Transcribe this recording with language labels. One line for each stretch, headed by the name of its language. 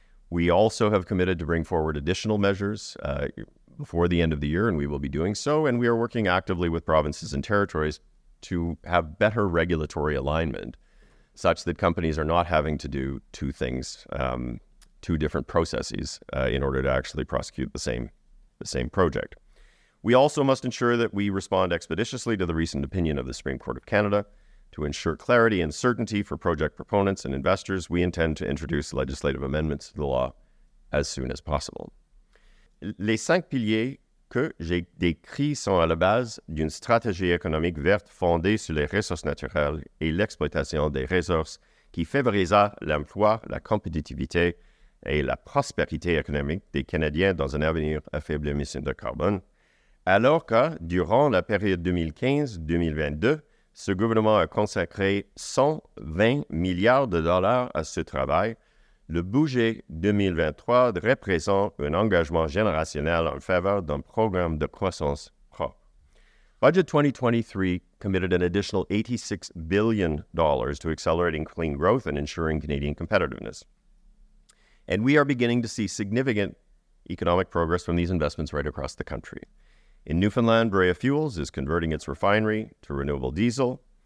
English: We also have committed to bring forward additional measures before the end of the year, and we will be doing so, and we are working actively with provinces and territories to have better regulatory alignment such that companies are not having to do two things, two different processes in order to actually prosecute the same project. We also must ensure that we respond expeditiously to the recent opinion of the Supreme Court of Canada. To ensure clarity and certainty for project proponents and investors, we intend to introduce legislative amendments to the law as soon as possible.
French: Les cinq piliers que j'ai décrits sont à la base d'une stratégie économique verte fondée sur les ressources naturelles et l'exploitation des ressources qui favorisa l'emploi, la compétitivité et la prospérité économique des Canadiens dans un avenir à faible émission de carbone, alors que, durant la période 2015-2022, ce gouvernement a consacré 120 milliards de dollars à ce travail, le budget 2023 représente un engagement générationnel en faveur d'un programme de croissance propre.
English: Budget 2023 committed an additional $86 billion to accelerating clean growth and ensuring Canadian competitiveness. And we are beginning to see significant economic progress from these investments right across the country. In Newfoundland, Brea Fuels is converting its refinery to renewable diesel.